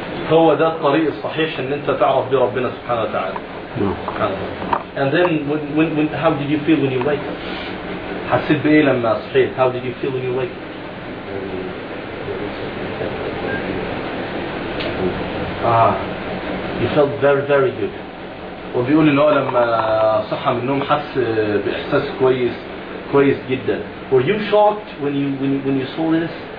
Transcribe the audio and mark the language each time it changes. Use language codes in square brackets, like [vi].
[ar] هو ده الطريق الصحيح إن أنت تعرف بربنا سبحانه وتعالى. [en] And then when how did you feel when you wake up? [ar] حسيت بإيه لما صحيت? [en] How did you feel when you wake up? You felt very very good. [ar] وبيقول إن هو لما صحى من النوم حس بإحساس كويس كويس جدا. [en] Were you shocked when you saw this?